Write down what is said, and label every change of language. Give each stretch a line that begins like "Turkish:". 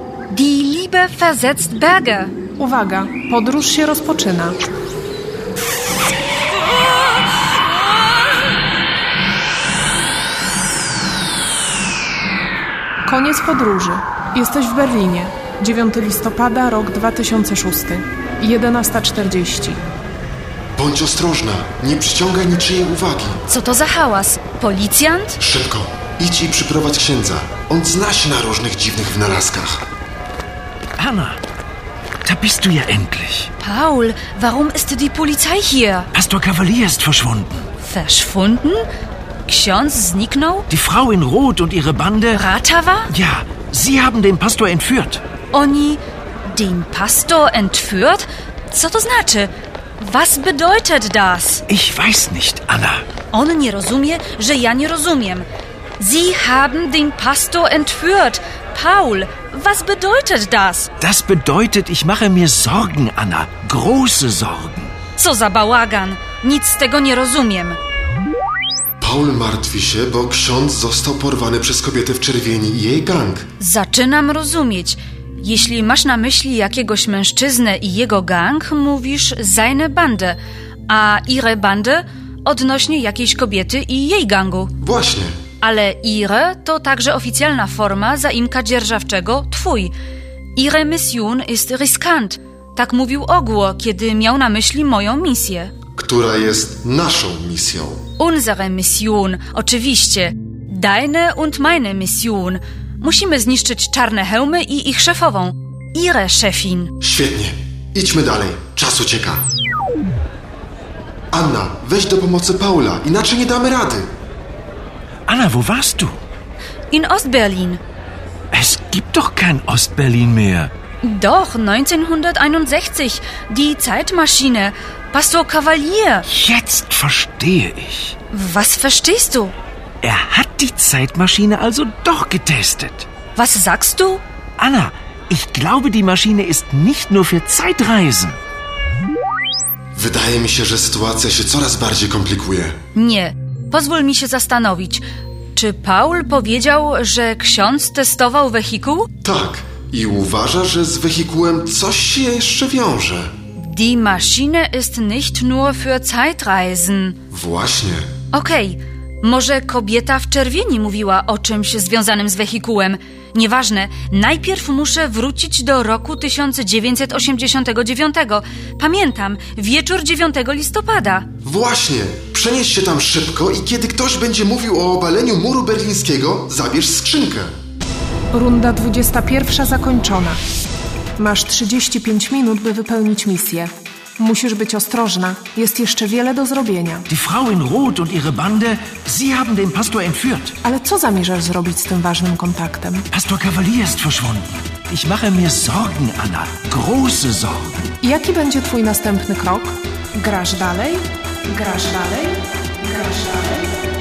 German: Die Liebe versetzt Berge.
Polish: Uwaga, podróż się rozpoczyna. Koniec podróży. Jesteś w Berlinie. 9 listopada, rok 2006. 11:40. Bądź ostrożna. Nie przyciągaj niczyjej uwagi. Co to za hałas? Policjant? Szybko. Idź i przyprowadź księdza. On zna się na różnych dziwnych wynalazkach.
German: Anna, da bist du ja endlich. Paul, warum ist die Polizei hier? Pastor Cavalier ist verschwunden. Verschwunden?
Polish: Ksiądz zniknął?
German: Die Frau in Rot und ihre Bande... Ratava? Ja, sie haben den Pastor entführt.
Polish: Oni
German: den Pastor entführt?
Polish: Co to znaczy?
German: Was bedeutet das? Ich weiß nicht, Anna.
Polish: On nie rozumie, że ja nie rozumiem.
German: Sie haben den Pastor entführt. Paul, was bedeutet das? Das bedeutet, ich mache mir Sorgen, Anna. Große Sorgen.
Polish: Co za bałagan. Nic z tego nie rozumiem. Paul martwi się, bo ksiądz został porwany przez kobietę w czerwieni i jej gang. Zaczynam rozumieć. Jeśli masz na myśli jakiegoś mężczyznę i jego gang, mówisz
German: seine Bande,
Polish: a
German: ihre Bande
Polish: odnośnie jakiejś kobiety i jej gangu. Właśnie. Ale ihre to także oficjalna forma zaimka dzierżawczego twój.
German: Ihre Mission ist riskant.
Polish: Tak mówił Ogło, kiedy miał na myśli moją misję. Która jest naszą misją?
German: Unsere Mission,
Polish: oczywiście.
German: Deine und meine Mission.
Polish: Musimy zniszczyć czarne hełmy i ich szefową.
German: Ihre Chefin.
Polish: Świetnie. Idźmy dalej. Czas ucieka. Anna, weź do pomocy Paula, inaczej nie damy rady.
German: Anna, wo warst du? In Ost-Berlin. Es gibt doch kein Ost-Berlin mehr. Doch, 1961. Die Zeitmaschine. Pastor Cavalier. Jetzt verstehe ich. Was verstehst du? Er hat die Zeitmaschine also doch getestet. Was sagst du? Anna, ich glaube, die Maschine ist nicht nur für Zeitreisen.
Polish: Wydaje mi się, że sytuacja się coraz bardziej komplikuje. Nie. Pozwól mi się zastanowić. Czy Paul powiedział, że ksiądz testował wehikuł? Tak. I uważa, że z wehikułem coś się jeszcze wiąże.
German: Die Maschine ist nicht nur für Zeitreisen.
Polish: Właśnie. Okej. Może kobieta w czerwieni mówiła o czymś związanym z wehikułem. Nieważne. Najpierw muszę wrócić do roku 1989. Pamiętam. Wieczór 9 listopada. Właśnie. Przenieś się tam szybko i kiedy ktoś będzie mówił o obaleniu muru berlińskiego, zabierz skrzynkę. Runda 21 zakończona. Masz 35 minut, by wypełnić misję. Musisz być ostrożna. Jest jeszcze wiele do zrobienia.
German: Die Frau in Rot und ihre Bande, sie haben den Pastor entführt.
Polish: Ale co zamierzasz zrobić z tym ważnym kontaktem?
German: Pastor Cavalier ist verschwunden. Ich mache mir Sorgen, Anna. Große Sorgen.
Polish: Jaki będzie twój następny krok? Grasz dalej? Grasz dalej? Grasz dalej?